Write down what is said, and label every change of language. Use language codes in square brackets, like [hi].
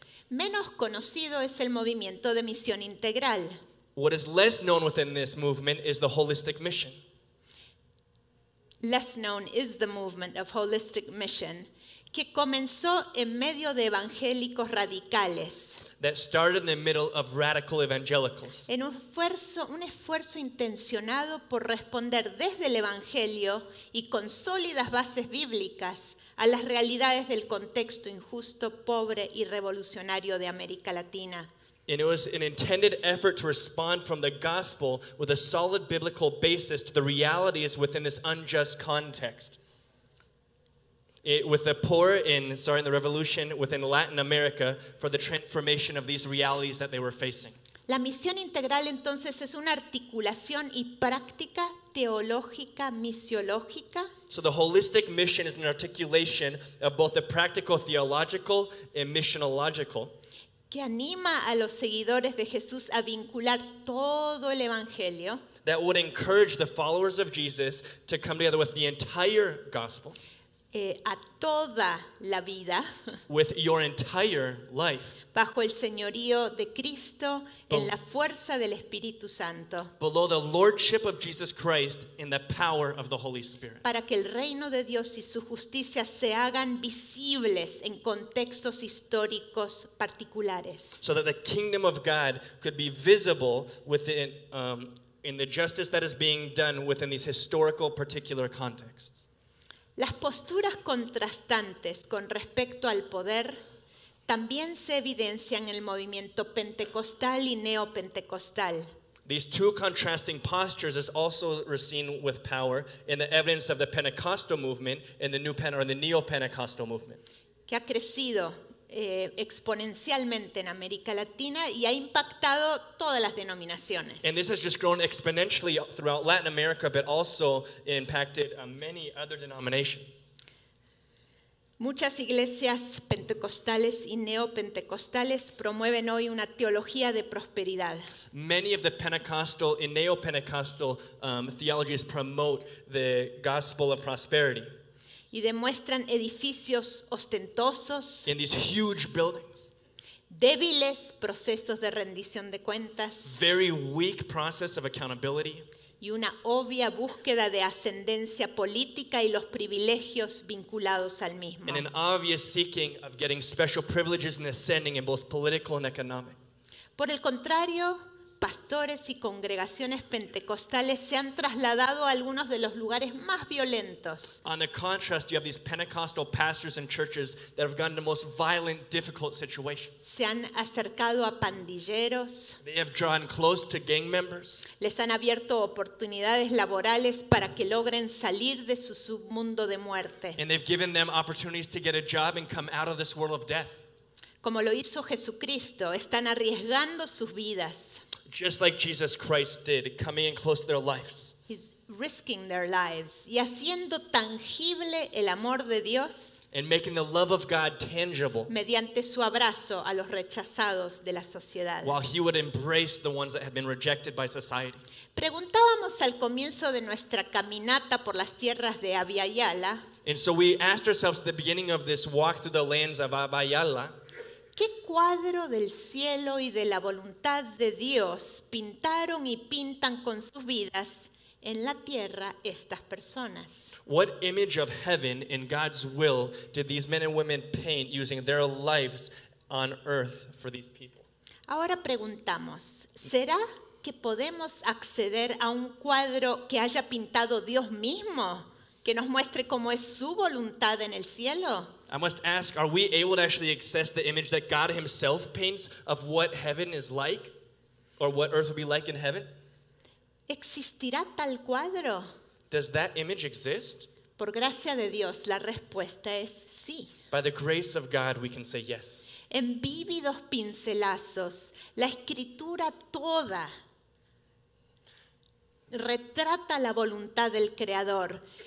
[es] Menos conocido es el movimiento de misión integral. [en] What is less known within this movement is the holistic mission. Less known is the movement of holistic mission. [es] Que comenzó en medio de evangélicos radicales. [en] That started in the middle of radical evangelicals. [es] En un esfuerzo intencionado por responder desde el evangelio y con sólidas bases bíblicas a las realidades del contexto injusto, pobre y revolucionario de América Latina. [en] And it was an intended effort to respond from the gospel with a solid biblical basis to the realities within this unjust context. In the revolution within Latin America for the transformation of these realities that they were facing. [es] La misión integral entonces es una articulación y práctica teológica misiológica. [en] So the holistic mission is an articulation of both the practical theological and missionological. [es] Que anima a los seguidores de Jesús a vincular todo el evangelio. [en] That would encourage the followers of Jesus to come together with the entire gospel. [es] A toda la vida. [en] With your entire life. [es] Bajo el señorío de Cristo en la fuerza del Espíritu Santo. [en] Below the lordship of Jesus Christ in the power of the Holy Spirit. [es] Para que el reino de Dios y su justicia se hagan visibles en contextos históricos particulares. [en] So that the kingdom of God could be visible within in the justice that is being done within these historical particular contexts. [es] Las posturas contrastantes con respecto al poder también se evidencian en el movimiento pentecostal y neopentecostal. [en] These two contrasting postures is also seen with power in the evidence of the Pentecostal movement and the neo-Pentecostal movement. [es] Que ha crecido exponencialmente en América Latina y ha impactado todas las denominaciones. [en] And this has just grown exponentially throughout Latin America, but also impacted many other denominations. [es] Muchas iglesias pentecostales y neopentecostales promueven hoy una teología de prosperidad. [en] Many of the Pentecostal and neo-Pentecostal theologies promote the gospel of prosperity. [es] Y demuestran edificios ostentosos. [en] In these huge buildings. [es] Débiles procesos de rendición de cuentas. [en] Very weak process of accountability. [es] Y una obvia búsqueda de ascendencia política y los privilegios vinculados al mismo. [en] And an obvious seeking of getting special privileges and ascending in both political and economic. [es] Por el contrario, pastores y congregaciones pentecostales se han trasladado a algunos de los lugares más violentos. [en] On the contrast, you have these Pentecostal pastors and churches that have gone to the most violent, difficult situations. [es] Se han acercado a pandilleros. [en] They have drawn close to gang members. [es] Les han abierto oportunidades laborales para que logren salir de su submundo de muerte. [en] And they've given them opportunities to get a job and come out of this world of death. [es] Como lo hizo Jesucristo, están arriesgando sus vidas. [en] Just like Jesus Christ did, coming in close to their lives. He's risking their lives [es] y haciendo tangible el amor de Dios. [en] And making the love of God tangible. [es] Mediante su abrazo a los rechazados de la sociedad. [en] While he would embrace the ones that had been rejected by society. [es] Preguntábamos al comienzo de nuestra caminata por las tierras de Abiyala. [en] And so we asked ourselves at the beginning of this walk through the lands of Abiyala. [es] ¿Qué cuadro del cielo y de la voluntad de Dios pintaron y pintan con sus vidas en la tierra estas personas? [en] What image of heaven and God's will did these men and women paint using their lives on earth for these people? [es] Ahora preguntamos, ¿será que podemos acceder a un cuadro que haya pintado Dios mismo, que nos muestre cómo es su voluntad en el cielo? [en] I must ask, are we able to actually access the image that God himself paints of what heaven is like, or what earth will be like in heaven? [es] ¿Existirá tal cuadro? [en] Does that image exist? [es] Por gracia de Dios, la respuesta es sí. [en] By the grace of God, we can say yes. [es] En vívidos pincelazos, la escritura toda retrata la voluntad del Creador.